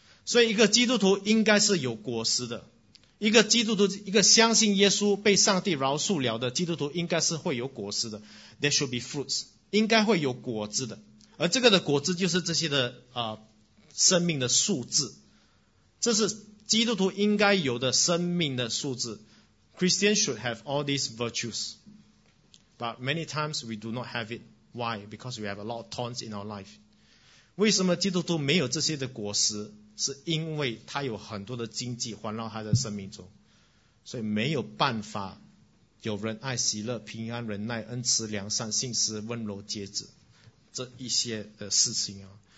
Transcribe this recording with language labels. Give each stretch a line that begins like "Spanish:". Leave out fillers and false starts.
Chinese: 所以一个基督徒应该是有果实的，一个基督徒，一个相信耶稣被上帝饶恕了的基督徒应该是会有果实的，
English: There should be fruits，
Chinese: 应该会有果子的。而这个的果子就是这些的生命的数字，这是基督徒应该有的生命的数字。
English: Christians should have all these virtuesBut many times we do not have it. Why? Because we have a lot of thorns in our life.
Chinese: 为什么基督徒没有这些的果实？是因为他有很多的荆棘环绕他的生命中，所以没有办法有仁爱、喜乐、平安、忍耐、恩慈、良善、信实、温柔、节制这一些的事情啊。